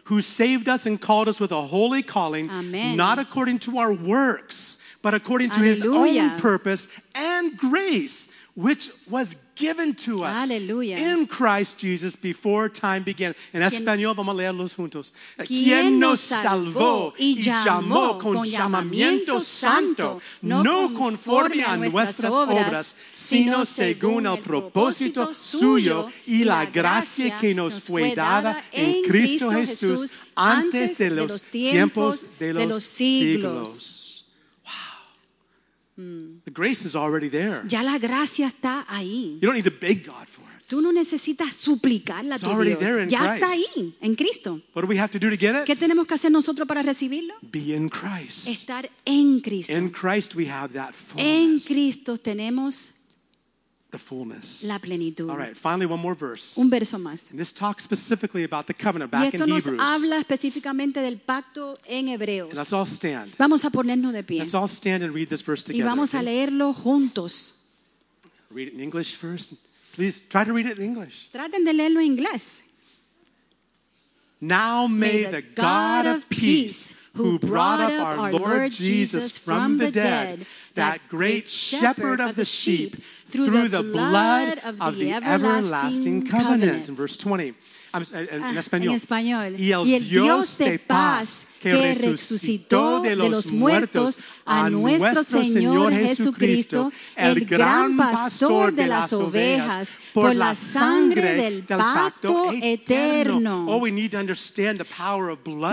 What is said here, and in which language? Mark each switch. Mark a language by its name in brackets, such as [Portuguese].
[English] Who saved us and called us with a holy calling. [Spanish] Amén. [English] Not according to our works, but according to [Spanish] Aleluya. [English] His own purpose and grace, which was given to us [Spanish] Aleluya. [English] In Christ Jesus before time began. [Spanish] En español vamos a leerlos juntos. Quien nos salvó y llamó con llamamiento santo, no conforme a nuestras obras, sino según el propósito suyo y la gracia que nos fue dada en Cristo Jesús antes de los tiempos de los siglos. [English] The grace is already there. [Spanish] Ya la gracia está ahí. [English] You don't need to beg God for it. [Spanish] Tú no necesitas suplicarla a [English] Dios. It's already there in [Spanish] ya [English] Christ. [Spanish] Está ahí, en Cristo. [English] What do we have to do to get it? [Spanish] ¿Qué tenemos que hacer nosotros para recibirlo? [English] Be in Christ. [Spanish] Estar en Cristo. [English] In Christ we have that fullness. [Spanish] En Cristo tenemos [English] The fullness. [Spanish] La plenitud. [English] All right, finally one more verse. [Spanish] Un verso más. [English] And this talks specifically about the covenant back in Hebrews. [Spanish] Y esto nos habla específicamente del pacto en Hebreos. [English] And let's all stand. [Spanish] Vamos a ponernos de pie. [English] Let's all stand and read this verse together. [Spanish] Y vamos a leerlo juntos. [English] Read it in English first. Please try to read it in English. [Spanish] Traten de leerlo en inglés. [English] Now may the God of peace, who brought up our Lord Jesus from the dead, that great shepherd of the sheep, through the blood of the everlasting covenant. In verse 20, [Spanish] en español. Y el Dios de paz que resucitó de los muertos a nuestro Señor Jesucristo, el gran pastor de las ovejas, por la sangre del pacto eterno. [English] Oh, we need to understand the power of blood.